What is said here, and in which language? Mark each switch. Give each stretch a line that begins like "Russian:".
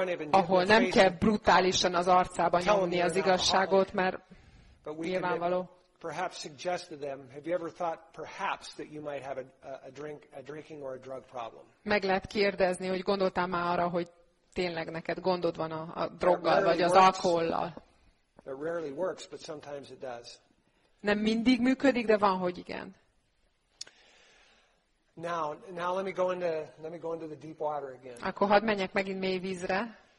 Hungarian: Ahol nem kell brutálisan az arcába nyomni az igazságot, mert nyilvánvaló.
English: Perhaps suggested them. Have you ever thought perhaps that you might have a drinking or a drug problem?
Hungarian: Meg lehet kérdezni, hogy gondoltál már arra, hogy tényleg neked gondod van a droggal vagy az alkohollal.
English: It rarely works, but sometimes it does.
Hungarian: Nem mindig működik, de van, hogy igen.
English: Now let me go into the deep water again.
Hungarian: Akkor hadd menjek megint mély vízre.